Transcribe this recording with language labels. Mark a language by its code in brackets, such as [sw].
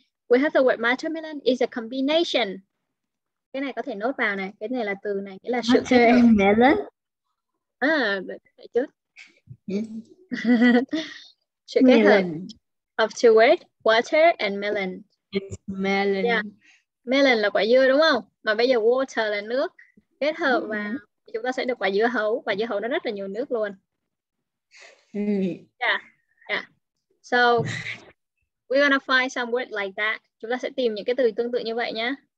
[en] We have the word watermelon is a combination. [vi] Cái này có thể nốt vào này. Cái này là từ này. Nghĩa là sự kết hợp. [en] Watermelon? [vi] À, phải chút. Sự kết hợp [en] of two words, water and melon. Melon. Yeah. [vi] Melon là quả dưa đúng không? Mà bây giờ water là nước. Kết hợp vào, chúng ta sẽ được quả dưa hấu. Quả dưa hấu nó rất là nhiều nước luôn. [en] Yeah. Yeah. So, we're gonna find some word like that. [vi] Chúng ta sẽ tìm những cái từ tương tự như vậy nhé.